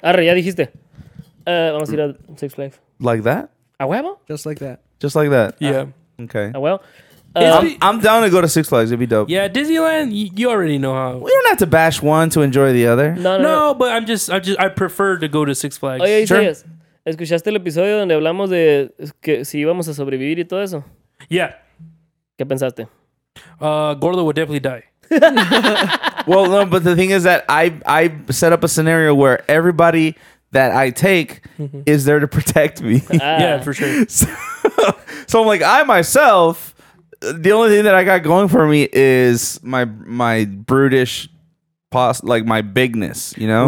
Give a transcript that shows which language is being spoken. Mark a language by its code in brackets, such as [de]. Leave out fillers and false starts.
[es] Arre, ya dijiste. Vamos a ir a Six Flags. [en] Like that? [es] A huevo? [en] Just like that. Yeah. Okay. [es] A huevo? [en] I'm down to go to Six Flags. It'd be dope. Yeah, Disneyland, you already know how. We don't have to bash one to enjoy the other. No, but I prefer to go to Six Flags. Oh, yeah, you sure? Say yes. [es] ¿Escuchaste el episodio donde hablamos de que si íbamos a sobrevivir y todo eso? [en] Yeah. [es] ¿Qué pensaste? [en] Gordo would definitely die. Well, no, but the thing is that I set up a scenario where everybody that I take is there to protect me. Yeah, for sure. So I'm like, I myself, the only thing that I got going for me is my brutish, like my bigness, you know?